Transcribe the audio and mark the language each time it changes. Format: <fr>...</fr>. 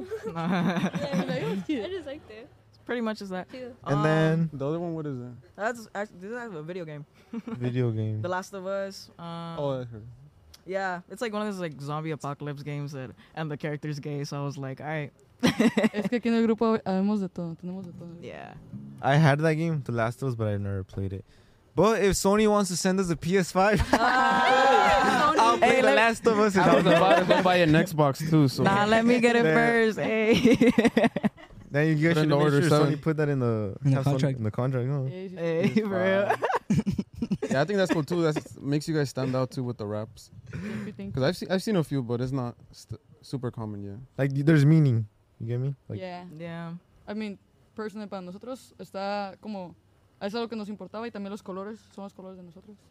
<en>Yeah, I mean, it was cute. I just liked it. Pretty much is that. And then the other one, what is it? That's actually, this is a video game. Video game. The Last of Us. Yeah, it's like one of those like zombie apocalypse games that, and the character's gay, so I was like, all right.</en> <es>Es que aquí en el grupo hemos de todo, tenemos de todo.</es> <en>Yeah. I had that game, The Last of Us, but I never played it. But if Sony wants to send us a PS5, I'll play The Last of Us. I was about to go buy an Xbox too. So. Nah, let me get it first. Hey. Then you guys should order sure Sony put that in the contract. In the contract, huh? Hey, for real. Yeah, I think that's cool too. That makes you guys stand out too with the raps. Because I've seen a few, but it's not super common yet. Like, there's meaning. You get me? Like, yeah. I mean, personally,</en> <es>para nosotros está como es algo que nos importaba y también los colores son los colores de nosotros.</es>